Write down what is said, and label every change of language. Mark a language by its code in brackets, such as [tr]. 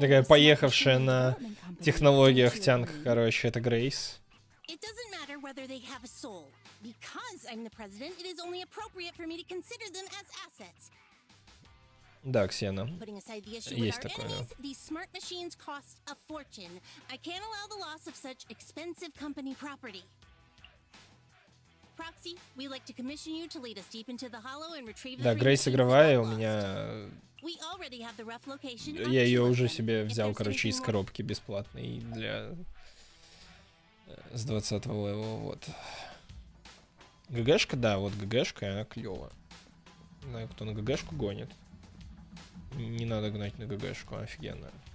[ru] Такая поехавшая на технологиях тянг, короче, это Грейс. [en] It doesn't matter whether they have a soul. Because I'm the president, it is only appropriate for me to consider them as assets. [ru] Да, Ксена. [en] Putting aside the issue with our enemies, these smart machines cost a fortune. I can't allow the loss of such expensive company property. Proxy, we'd like to commission you to lead us deep into the hollow and retrieve the... [ru] Да, Грейс игровая у меня. [en] We already have the rough location. [ru] Я ее уже себе взял, короче, из коробки бесплатной для... с 20-го левела, вот. ГГшка, да, вот ГГшка, она клёва. Знаю, кто на ГГшку гонит. Не надо гнать на ГГшку, офигенно.